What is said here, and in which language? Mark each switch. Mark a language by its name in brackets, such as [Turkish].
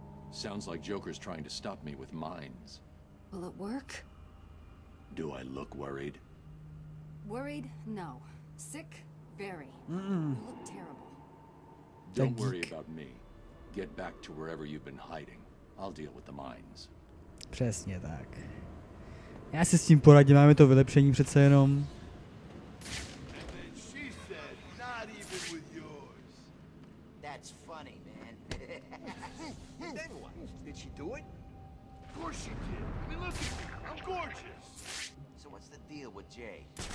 [English] Sounds like Joker's trying to stop me with mines. Will it work? Do I look worried? Worried? No. Sick? Very. Mm-mm. You look terrible. Don't worry about me. Get back to wherever you've been hiding. I'll deal with the mines. [Czech] Přesně tak. Já si s tím poradím, máme to vylepšení přece jenom. [English] And then she said, not even with yours. That's funny, man. Then what? Did she do it? Of course she did. I mean, look at me. I'm gorgeous. So what's the deal with Jay?